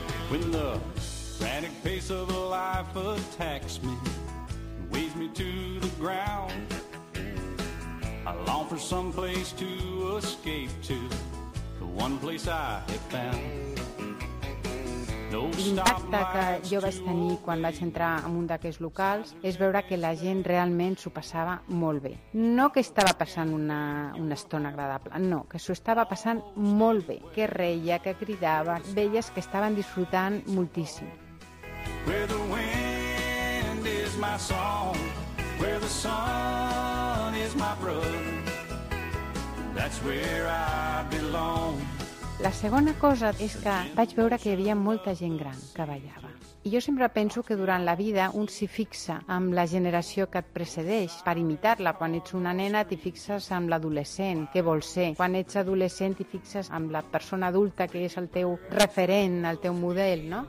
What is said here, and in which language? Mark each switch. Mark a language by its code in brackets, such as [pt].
[en] When the frantic pace of a life attacks me, weighs me to the ground, I long for some place to escape to, the one place I have found. [ca] L'impacte que jo vaig tenir quan vaig entrar en un d'aquests locals és veure que la gent realment s'ho passava molt bé. No que estava passant una estona agradable, no, que s'ho estava passant molt bé. Que reia, que cridava, veies que estaven disfrutant moltíssim. [en] Where the wind is my song, where the sun is my brother, that's where I belong. [ca] La segona cosa és que vaig veure que hi havia molta gent gran que ballava. I jo sempre penso que durant la vida un s'hi fixa amb la generació que et precedeix per imitar-la. Quan ets una nena t'hi fixes amb l'adolescent, què vol ser. Quan ets adolescent t'hi fixes amb la persona adulta que és el teu referent, el teu model, no?